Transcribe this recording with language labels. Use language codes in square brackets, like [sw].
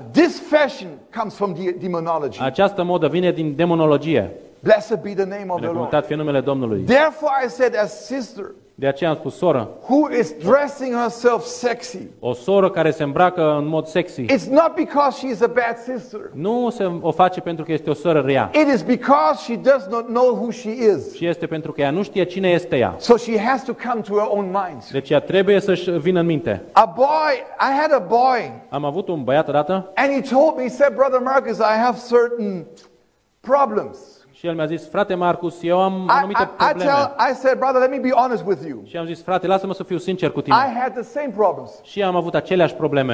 [en] This fashion comes from demonology. [ro] Această modă vine din demonologie. [en] Blessed be the name of the Lord. [ro] Binecuvântat fie numele Domnului. [en] Therefore I said as sister. [ro] De aceea am spus soră. [en] Who is dressing herself sexy? [ro] O soră care se îmbracă în mod sexy. [en] It's not because she is a bad sister. [ro] Nu se o face pentru că este o soră rea. [en] It is because she does not know who she is. [ro] Și este pentru că ea nu știe cine este ea. [en] So she has to come to her own mind. [ro] Deci ea trebuie să -și vină în minte. [en] A boy, I had a boy. [ro] Am avut un băiat odată. [en] And he told me, he said, brother Marcus, I have certain problems. [ro] Și el mi-a zis, frate Marcus, eu am anumite probleme. [en] I said, brother, let me be honest with you. [ro] Și am zis, frate, lasă-mă să fiu sincer cu tine. [en] I had the same problems. [ro] Și am avut aceleași probleme.